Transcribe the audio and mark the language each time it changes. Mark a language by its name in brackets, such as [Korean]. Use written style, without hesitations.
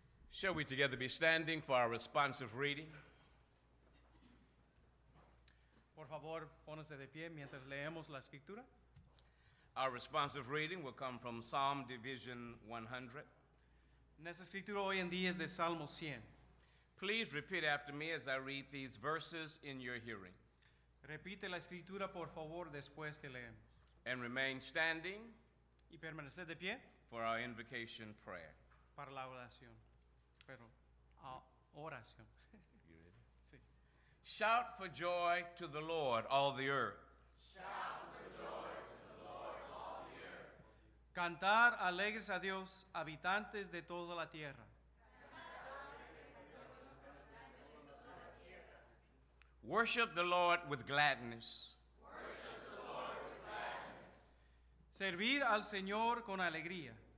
[English] Shall we together be standing for our responsive reading? [Spanish] Por favor, pónganse de pie mientras leemos la escritura. [English] Our responsive reading will come from Psalm Division 100. [Spanish] Nuestra escritura hoy en día es de Salmo 100. [English] Please repeat after me as I read these verses in your hearing. [Spanish] Repite la escritura, por favor, después que leemos. [English] And remain standing. [Spanish] Y permanece de pie. [English] For our invocation prayer. [Spanish] para la oración, pero a oración. [English] You ready? Sí. Shout for joy to the Lord, all the earth. Shout for joy to the Lord, all the earth. [Spanish] Cantar alegres a Dios, habitantes de toda la tierra. [English] Worship the Lord with gladness. Worship the Lord with gladness. [Spanish] Servir al Señor con alegría.